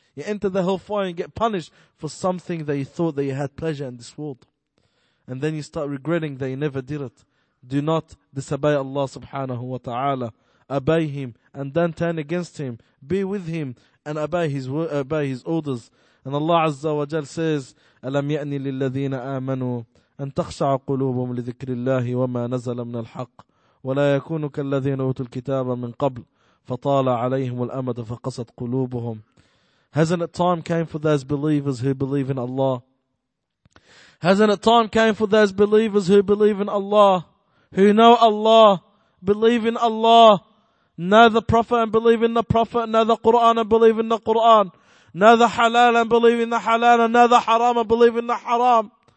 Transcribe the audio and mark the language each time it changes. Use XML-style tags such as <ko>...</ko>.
<en>You enter the hellfire and get punished for something that you thought that you had pleasure in this world. And then you start regretting that you never did it. Do not disobey Allah subhanahu wa ta'ala. Obey Him and then turn against Him. Be with Him and obey his orders.</en> <ar>And Allah Azza wa Jal says, أَلَمْ يَأْنِ لِلَّذِينَ آمَنُوا أَن تَخْشَعَ قُلُوبُهُمْ لِذِكْرِ اللَّهِ وَمَا نَزَلَ مِنَ الْحَقِّ وَلَا يَكُونُ كَالَّذِينَ أُوتُوا الْكِتَابَ مِنْ قَبْلِ فَطَالَ عَلَيْهِمُ الْأَمَدُ فَقَسَتْ قُلُوبُهُمْ.</ar> <en>Hasn't it time came for those believers who believe in Allah? Hasn't it time came for those believers who believe in Allah, who know Allah, believe in Allah, know the Prophet and believe in the Prophet, know the Quran and believe in the Quran, know the halal and believe in the halal, and know the haram and believe in the haram?</en>